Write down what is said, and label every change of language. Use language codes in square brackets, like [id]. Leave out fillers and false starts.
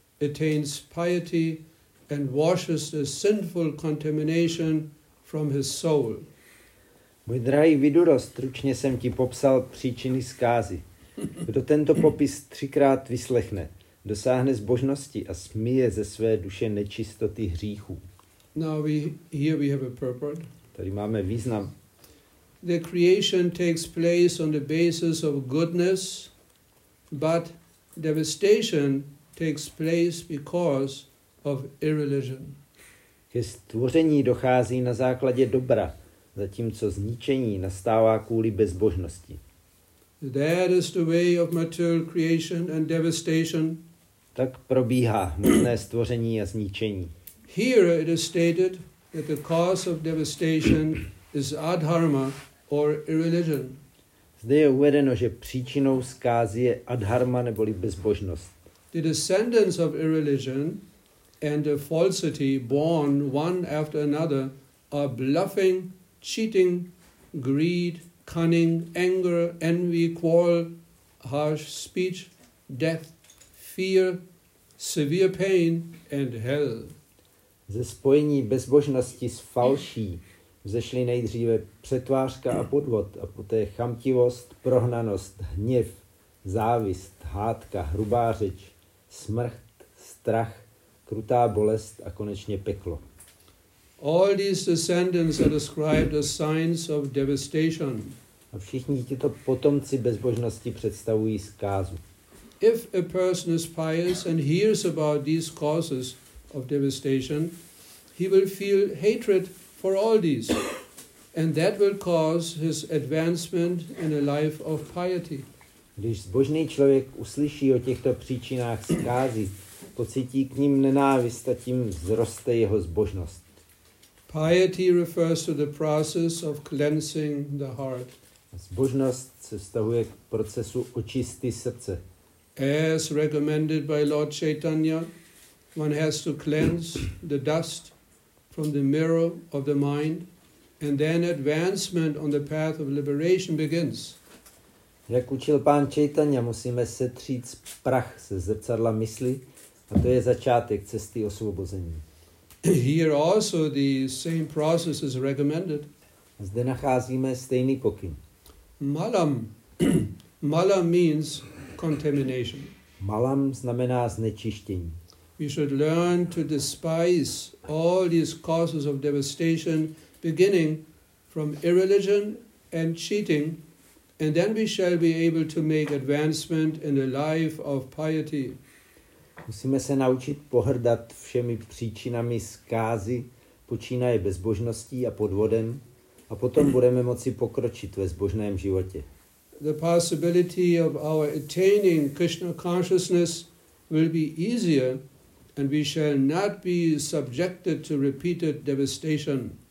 [en] attains piety and washes the sinful contamination from his soul. [cs] Můj drahý Viduro, stručně jsem ti popsal příčiny zkázy. Kdo tento popis třikrát vyslechne, dosáhne zbožnosti a smije ze své duše nečistoty hříchů. [en] Now we, here we have a purport. [cs] Tady máme význam. [en] The creation takes place on the basis of goodness, but devastation takes place because of irreligion. [cs] Ke stvoření dochází na základě dobra, zatímco zničení nastává kvůli bezbožnosti. [en] That is the way of material creation and devastation. [cs] Tak probíhá hmotné stvoření a zničení. [en] Here it is stated that the cause of devastation is adharma or irreligion. [cs] Zde je uvedeno, že příčinou zkázy je adharma neboli bezbožnost. [en] The descendants of irreligion and the falsity born one after another are bluffing, cheating, greed, cunning, anger, envy, quarrel, harsh speech, death, fear, severe pain and hell. [cs] Ze spojení bezbožnosti s falší vzešly nejdříve přetvářka a podvod a poté chamtivost, prohnanost, hněv, závist, hádka, hrubá řeč, smrt, strach, krutá bolest a konečně peklo. [en] All these descendants are described as signs of devastation. [cs] A všichni tito potomci bezbožnosti představují zkázu. [en] If a person is pious and hears about these causes of devastation, he will feel hatred for all these, and that will cause his advancement in a life of piety. [cs] Když zbožný člověk uslyší o těchto příčinách zkázy, pocítí k ním nenávist a tím vzroste jeho zbožnost. [en] Piety refers to the process of cleansing the heart. [cs] Zbožnost se vztahuje k procesu očisty srdce. [en] As recommended by Lord Chaitanya, one has to cleanse the dust from the mirror of the mind, and then advancement on the path of liberation begins. [cs] Jak učil pán Chaitanya, musíme setřít prach ze zrcadla mysli, a to je začátek cesty osvobození. [en] Here also the same process is recommended. [cs] Zde nacházíme stejný pokyn. [en] Malam. Malam means contamination. [cs] Malam znamená znečištění. [en] We should learn to despise all these causes of devastation beginning from irreligion and cheating, and then we shall be able to make advancement in the life of piety. [cs] Musíme se naučit pohrdat všemi příčinami zkázy, počínaje bezbožností a podvodem, a potom budeme moci pokročit ve zbožném životě. [en] The possibility of our attaining Krishna consciousness will be easier, and we shall not be subjected to repeated devastation.